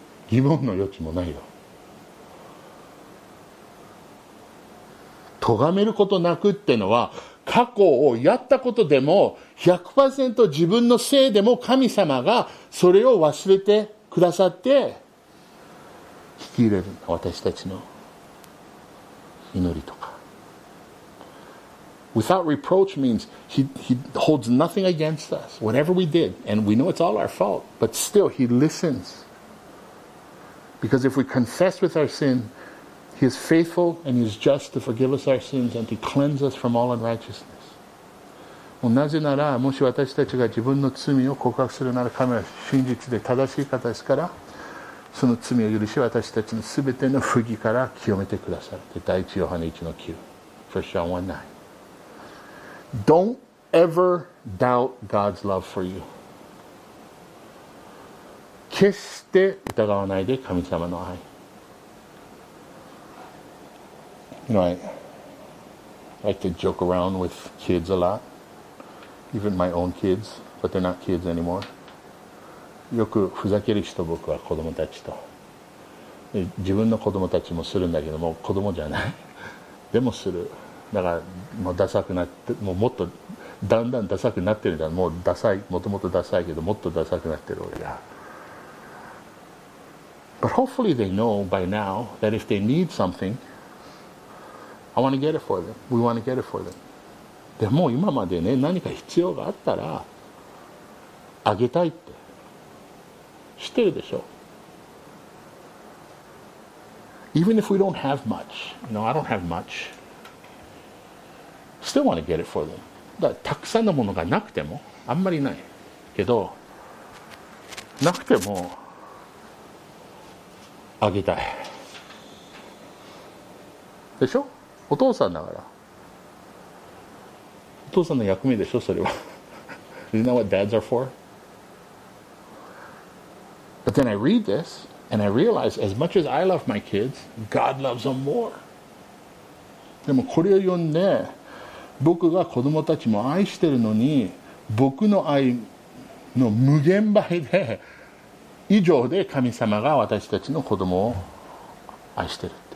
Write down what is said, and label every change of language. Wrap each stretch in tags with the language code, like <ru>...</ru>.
<ja>疑問の余地もないよ咎めることなくってのは過去をやったことでも 100% 自分のせいでも神様がそれを忘れてくださって引き入れる私たちの祈りとか</ja> <en>Without reproach means he holds nothing against us whatever we did and we know it's all our fault but still he listens because if we confess with our sinHe is faithful and he is just to forgive us our sins and to cleanse us from all unrighteousness.</en> <ja>もうなぜなら、もし私たちが自分の罪を告白するなら、神は真実で正しい方ですから、その罪を許し、私たちのすべての不義から清めてくださる。第一ヨハネ1の9。</ja> <en>1 John 1, 9. Don't ever doubt God's love for you.</en> <ja>決して疑わないで神様の愛。</ja> <en>You know, I like to joke around with kids a lot, even my own kids, but they're not kids anymore.</en> <ja>よくふざける人、僕は子供たちと。自分の子供たちもするんだけど、もう子供じゃない。でもする。だから、もうダサくなって、もうもっと、だんだんダサくなってるんだ。もうダサい、もともとダサいけど、もっとダサくなってる俺が。</ja> <en>But hopefully they know by now that if they need something,I want to get it for them. We want to get it for them.</en> <ja>でも今までね、何か必要があったらあげたいって知ってるでしょ。</ja> <en>Even if we don't have much, you know, I don't have much, still want to get it for them.</en> <ja>だからたくさんのものがなくてもあんまりないけどなくてもあげたいでしょ。お父さんだから。お父さんの役目でしょ、それは。</ja> <en>Isn't that what dads are for? But then I read this, and I realize, as much as I love my kids, God loves them more.</en> <ja>でもこれを読んで、僕が子供たちも愛してるのに、僕の愛の無限倍で、以上で神様が私たちの子供を愛してる。</ja>